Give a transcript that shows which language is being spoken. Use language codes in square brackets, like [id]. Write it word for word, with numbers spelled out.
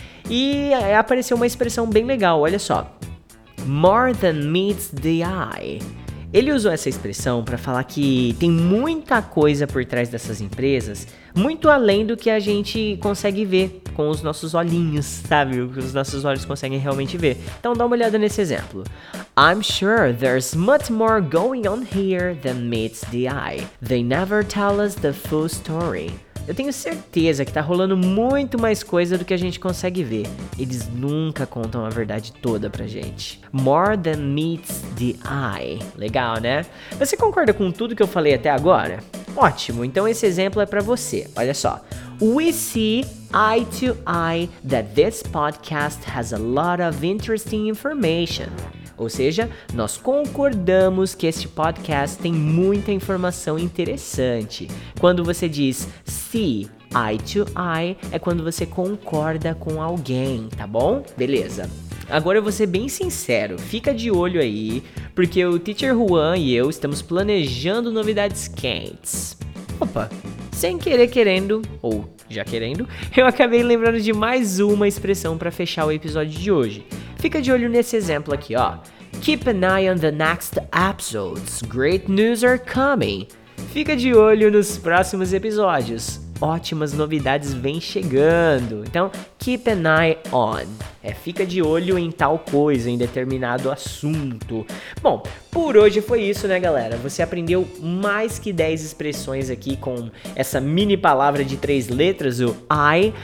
[pt] E apareceu uma expressão bem legal, olha só. [en] More than meets the eye. [pt] Ele usou essa expressão para falar que tem muita coisa por trás dessas empresas, muito além do que a gente consegue ver com os nossos olhinhos, sabe? O que os nossos olhos conseguem realmente ver. Então dá uma olhada nesse exemplo. [en] I'm sure there's much more going on here than meets the eye. They never tell us the full story. [pt] Eu tenho certeza que tá rolando muito mais coisa do que a gente consegue ver. Eles nunca contam a verdade toda pra gente. [en] More than meets the eye. [pt] Legal, né? Você concorda com tudo que eu falei até agora? Ótimo, então esse exemplo é pra você. Olha só. [en] We see eye to eye that this podcast has a lot of interesting information. [pt] Ou seja, nós concordamos que este podcast tem muita informação interessante. Quando você diz [en] see eye to eye, [pt] é quando você concorda com alguém, tá bom? Beleza. Agora eu vou ser bem sincero, fica de olho aí, porque o Teacher Juan e eu estamos planejando novidades quentes. Opa, sem querer querendo, ou já querendo, eu acabei lembrando de mais uma expressão para fechar o episódio de hoje. Fica de olho nesse exemplo aqui, ó. [en] Keep an eye on the next episodes. Great news are coming. [pt] Fica de olho nos próximos episódios. Ótimas novidades vêm chegando. Então, [en] keep an eye on. [pt] É, fica de olho em tal coisa, em determinado assunto. Bom, por hoje foi isso, né, galera? Você aprendeu mais que dez expressões aqui com essa mini palavra de três letras, o I.